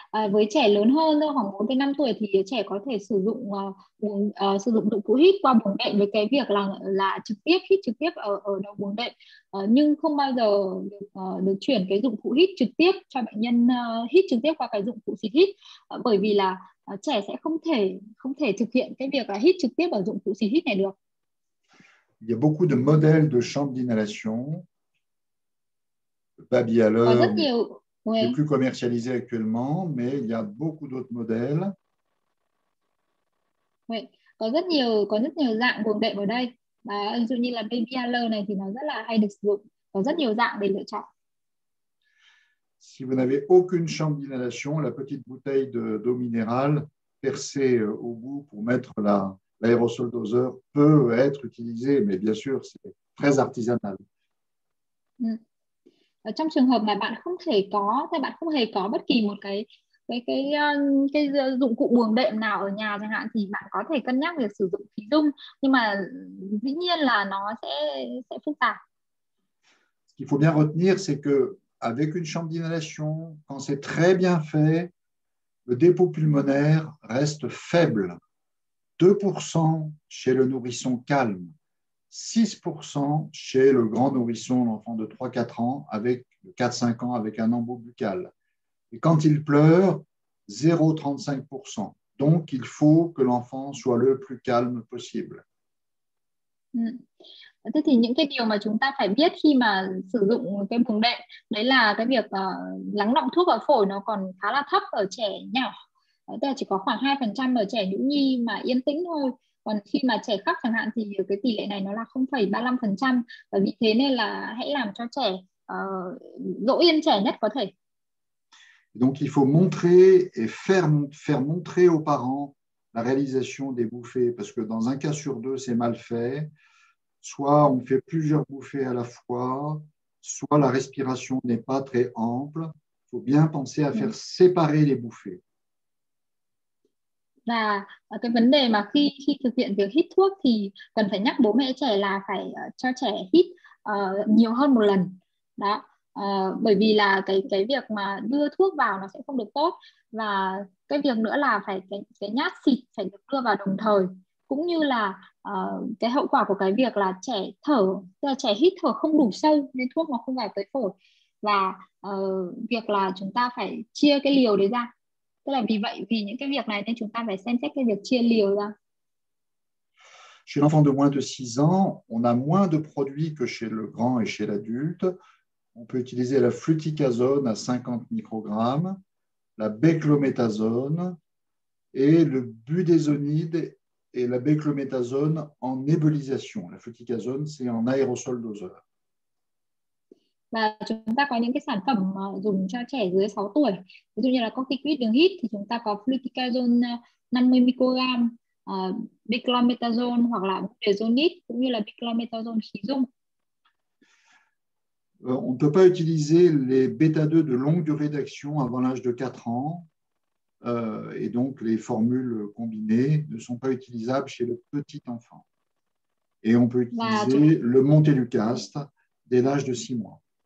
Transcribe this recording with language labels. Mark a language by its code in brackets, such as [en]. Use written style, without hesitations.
[vi] Với trẻ lớn hơn khoảng 4 đến 5 tuổi thì trẻ có thể sử dụng dụng cụ hít qua buồng đệm, với cái việc là trực tiếp hít trực tiếp ở ở đầu buồng đệm, nhưng không bao giờ được chuyển cái dụng cụ hít trực tiếp cho bệnh nhân hít trực tiếp qua cái dụng cụ xịt hít, bởi vì là trẻ sẽ không thể thực hiện cái việc là hít trực tiếp ở dụng cụ xịt hít này được. [fr] Il y a beaucoup de modèles de chambres d'inhalation. Babi [vi] Có rất [fr] Allure, [vi] nhiều. [fr] le plus commercialisé actuellement, mais il y a beaucoup d'autres modèles. [vi] Có rất nhiều dạng buồng đệm ở đây. Đó, ví dụ như là BPL này thì nó rất là hay được sử dụng. Có rất nhiều dạng để lựa chọn. [fr] Si vous n'avez aucune chambre d'inhalation, la petite bouteille d'eau minérale percée au bout pour mettre l'aérosol doseur peut être utilisée, mais bien sûr, c'est très artisanal. [vi] Ở trong trường hợp mà bạn không thể có hay bạn không hề có bất kỳ một cái dụng cụ buồng đệm nào ở nhà chẳng hạn thì bạn có thể cân nhắc việc sử dụng khí dung, nhưng mà dĩ nhiên là nó sẽ phức tạp. [fr] Ce qu'il faut bien retenir, c'est que avec une chambre d'inhalation, quand c'est très bien fait, le dépôt pulmonaire reste faible. 2% chez le nourrisson calme, 6% chez le grand nourrisson, l'enfant de 3-4 ans, avec 4-5 ans, avec un embout buccal. Et quand il pleure, 0,35%. Donc, il faut que l'enfant soit le plus calme possible. [vi] Thế thì những cái điều mà chúng ta phải biết khi mà sử dụng cái buồng đệm đấy là cái việc lắng đọng thuốc vào phổi nó còn khá là thấp ở trẻ nhỏ, tức là chỉ có khoảng 2% ở trẻ nhũ nhi mà yên tĩnh thôi, còn khi mà trẻ khóc chẳng hạn thì cái tỷ lệ này nó là 0,35%, và vì thế nên là hãy làm cho trẻ dỗ yên trẻ nhất có thể. [fr] Donc, il faut montrer et faire montrer aux parents la réalisation des bouffées, parce que dans un cas sur deux, c'est mal fait. Soit on fait plusieurs bouffées à la fois, soit la respiration n'est pas très ample. Il faut bien penser à faire séparer les bouffées. [vi] Và cái vấn đề mà khi khi thực hiện việc hít thuốc thì cần phải nhắc bố mẹ trẻ là phải cho trẻ hít nhiều hơn một lần đó, bởi vì là cái việc mà đưa thuốc vào nó sẽ không được tốt, và cái việc nữa là phải cái nhát xịt phải được đưa vào đồng thời, cũng như là cái hậu quả của cái việc là trẻ thở, tức là trẻ hít thở không đủ sâu nên thuốc nó không vào tới phổi, và việc là chúng ta phải chia cái liều đấy ra. Tức là vì vậy, vì những cái việc này nên chúng ta phải xem xét cái việc chia liều ra. [fr] Chez l'enfant de moins de 6 ans, on a moins de produits que chez le grand et chez l'adulte. On peut utiliser la fluticasone à 50 microgrammes, la béclométasone et le budesonide et la béclométasone en nébulisation. La fluticasone, c'est en aérosol doseur. [vi] Và chúng ta có những cái sản phẩm dùng cho trẻ dưới 6 tuổi, ví dụ như là corticoid đường hít thì chúng ta có fluticasone 50 mg, beclometasone hoặc là budesonide, cũng như là beclometasone khí dung. [fr] On ne peut pas utiliser les bêta-2 de longue durée d'action avant l'âge de 4 ans. Et donc, les formules combinées ne sont pas utilisables chez le petit enfant. Et on peut [vi] Và [fr] utiliser le montelukast dès l'âge de 6 mois.